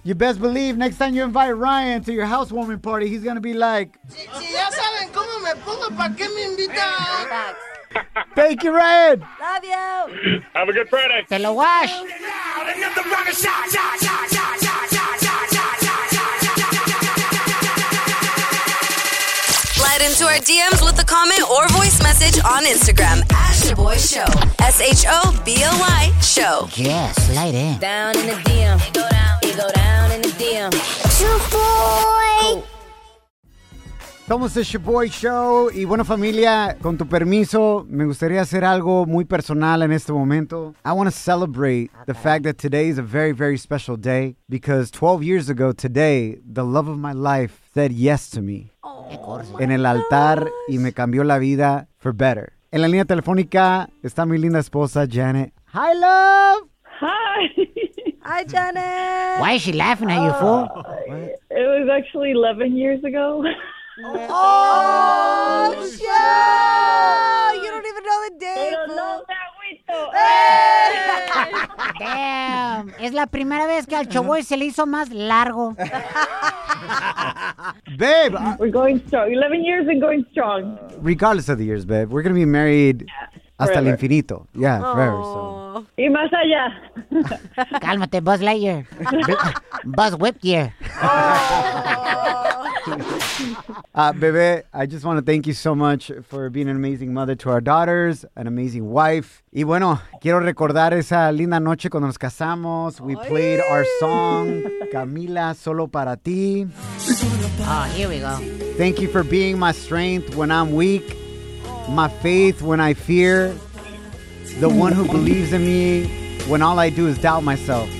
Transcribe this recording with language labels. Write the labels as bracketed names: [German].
[English] You best believe next time you invite Ryan to your housewarming party, he's going to be like, [Spanish] ya saben cómo me pongo, ¿para qué me invitan? [English] Thank you, Ryan. Love you. Have a good Friday. [Spanish] Te lo wash. [English] Slide into our DMs with a comment or voice message on Instagram at Shaboy Show. S-H-O-B-O-Y Show. Yeah, slide in. Down in the DM. You go down in the DM. Shaboy. [Spanish] Somos el Shaboy Show y bueno, familia, con tu permiso, me gustaría hacer algo muy personal en este momento. [English] I want to celebrate the fact that today is a very, very special day because 12 years ago today, the love of my life said yes to me [Spanish] en el altar y me cambió la vida [English] for better. [Spanish] En la línea telefónica está mi linda esposa, Janet. [English] Hi, love. Hi. Hi, Janet. Why is she laughing at you, fool? It was actually 11 years ago. Oh, yeah. You don't even know the day. I don't know that way, though. Damn. [Spanish] Es la primera vez que al Choboy se le hizo más largo. [English] Babe. We're going strong. 11 years and going strong. Regardless of the years, babe, we're going to be married... Yeah. Hasta forever. [Spanish] El infinito. [English] Yeah, aww. Forever. So. [Spanish] Y más allá. Cálmate, Buzz Lightyear. Buzz Whipyear. [English] Bebe, I just want to thank you so much for being an amazing mother to our daughters, an amazing wife. [Spanish] Y bueno, quiero recordar esa linda noche cuando nos casamos. [English] We played our song, Camila, Solo Para Ti. Oh, here we go. Thank you for being my strength when I'm weak. My faith when I fear, the one who believes in me when all I do is doubt myself.